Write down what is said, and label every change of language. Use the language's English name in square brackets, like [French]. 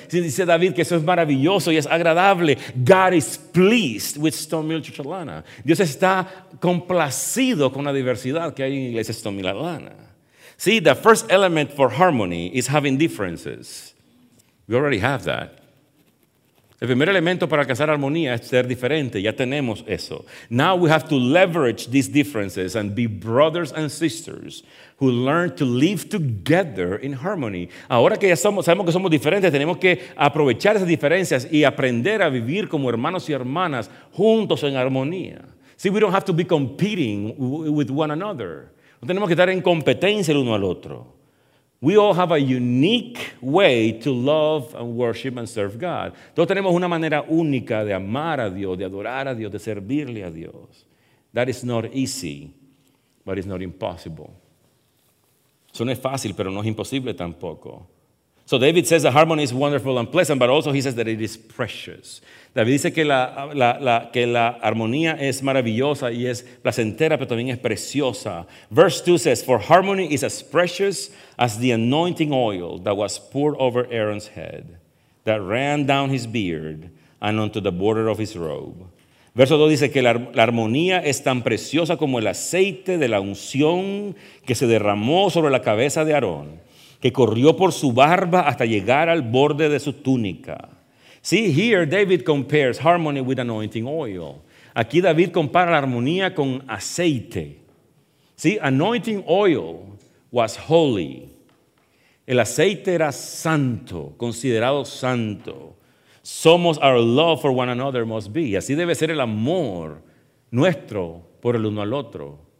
[Spanish] Dice David que eso es maravilloso y es agradable. [English] God is pleased with Stone Mill Church Atlanta. [Spanish] Dios está complacido con la diversidad que hay en Iglesia Stone Mill Atlanta. [English] See, the first element for harmony is having differences. We already have that. [Spanish] El primer elemento para alcanzar armonía es ser diferente. Ya tenemos eso. [English] Now we have to leverage these differences and be brothers and sisters who learn to live together in harmony. [Spanish] Ahora que ya sabemos que somos diferentes, tenemos que aprovechar esas diferencias y aprender a vivir como hermanos y hermanas juntos en armonía. [English] See, we don't have to be competing with one another. [Spanish] No tenemos que estar en competencia el uno al otro. [English] We all have a unique way to love and worship and serve God. [Spanish] Todos tenemos una manera única de amar a Dios, de adorar a Dios, de servirle a Dios. [English] That is not easy, but it's not impossible. [Spanish] Eso no es fácil, pero no es imposible tampoco. [English] So David says that harmony is wonderful and pleasant, but also he says that it is precious. [Spanish] David dice que la armonía es maravillosa y es placentera, pero también es preciosa. [English] Verse 2 says, for harmony is as precious as the anointing oil that was poured over Aaron's head, that ran down his beard and onto the border of his robe. [Spanish] Verso 2 dice que la armonía es tan preciosa como el aceite de la unción que se derramó sobre la cabeza de Aarón, que corrió por su barba hasta llegar al borde de su túnica. [English] See, here David compares harmony with anointing oil. [Spanish] Aquí David compara la armonía con aceite. [English] See, anointing oil was holy. [Spanish] El aceite era santo, considerado santo. [English] So must our love for one another must be. [Spanish] Así debe ser el amor nuestro por el uno al otro.